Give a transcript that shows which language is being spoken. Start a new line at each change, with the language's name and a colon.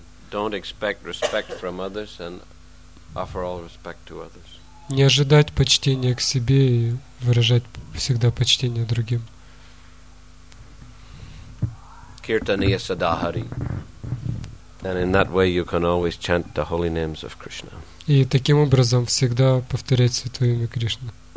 English: Don't expect respect from others and offer all respect to others.
Russian: Не ожидать почтения к себе и выражать всегда почтение другим.
Sanskrit: Kirtaniya Sadahari.
English: And in that way you can always chant the holy names of Krishna.
Russian: И таким образом всегда повторять святое имя Кришны.